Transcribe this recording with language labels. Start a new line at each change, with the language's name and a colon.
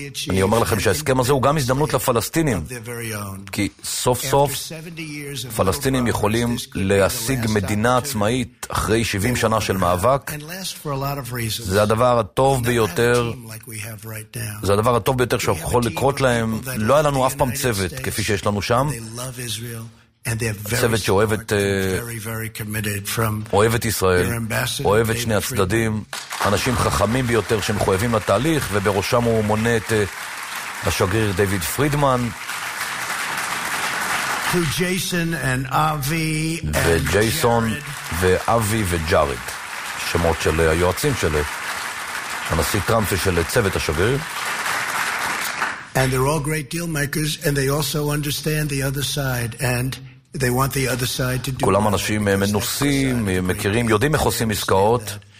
Hebrew: אני אומר לכם שההסכם הזה הוא גם הזדמנות לפלסטינים. כי סוף סוף פלסטינים יכולים להשיג מדינה עצמאית אחרי 70 שנה של מאבק. זה הדבר הטוב ביותר. זה הדבר הטוב ביותר שיכול לקרות להם. לא היה לנו אף פעם צוות כפי שיש לנו שם.
English: They love Israel and they're very smart,
Hebrew: אוהבת,
English: very very committed from
Hebrew: אוהבת ישראל, אוהבת שני הצדדים, אנשים חכמים ביותר שמחויבים לתהליך, ובראשם הוא מונה את השגריר דיוויד פרידמן.
English: To Jason and Avi
Hebrew: and Jason ואבי וג'ארד, שמות של היועצים של הנשיא טראמפ ושל צוות השגריר.
English: And they're all great deal makers and they also understand the other side and they want the other side to do
Hebrew: כולם אנשים מנוסים, מכירים, יודעים איך עושים עסקאות.